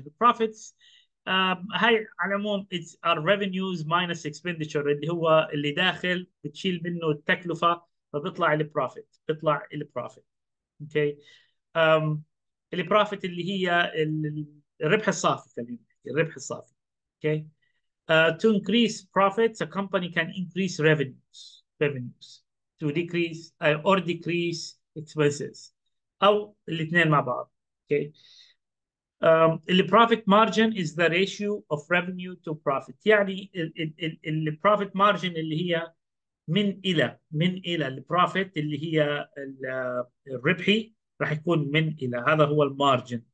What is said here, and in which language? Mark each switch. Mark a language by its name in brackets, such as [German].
[Arabic] البروفيتس هاي على العموم [English] it's are revenues minus expenditure, [Arabic] اللي هو اللي داخل بتشيل منه التكلفه فبيطلع البروفيت، بيطلع البروفيت. اوكي البروفيت اللي هي الربح الصافي، خلينا نحكي الربح الصافي. [English] okay to increase profits a company can increase revenues to decrease or decrease expenses [Arabic] او الاثنين مع بعض. اوكي [English] البروفيت margin is the ratio of revenue to profit, [Arabic] يعني البروفيت مارجن اللي هي من الى البروفيت اللي هي الربحي راح يكون من الى، هذا هو المارجن.